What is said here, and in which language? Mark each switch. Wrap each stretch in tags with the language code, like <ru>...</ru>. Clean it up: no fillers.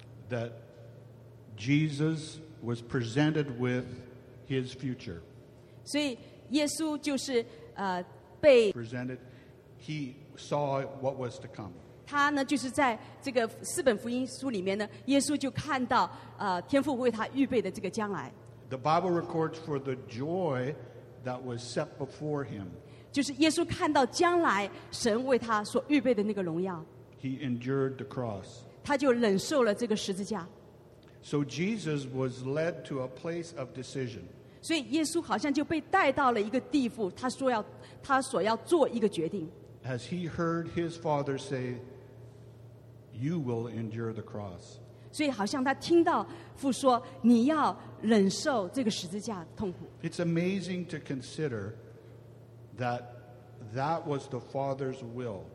<en>that Jesus was presented with his future.</en> <zh>所以耶稣就是, 被</zh> <en>presented, he saw what was to come.</en> <zh>他呢就是在这个四本福音书里面呢, 耶稣就看到, 天父为他预备的这个将来。</zh> <en>The Bible records for the joy that was set before him.</en> <zh>就是耶稣看到将来神为他所预备的那个荣耀。</zh> <en>He endured the cross.</en> <zh>他就忍受了这个十字架。</zh> <en>So Jesus was led to a place of decision.</en> <zh>所以耶稣好像就被带到了一个地步，他说要他所要做一个决定。</zh> <en>As he heard his father say, "You will endure the cross."</en> <zh>所以好像他听到父说，你要忍受这个十字架痛苦。</zh> <en>It's amazing to consider that that was the Father's will.</en>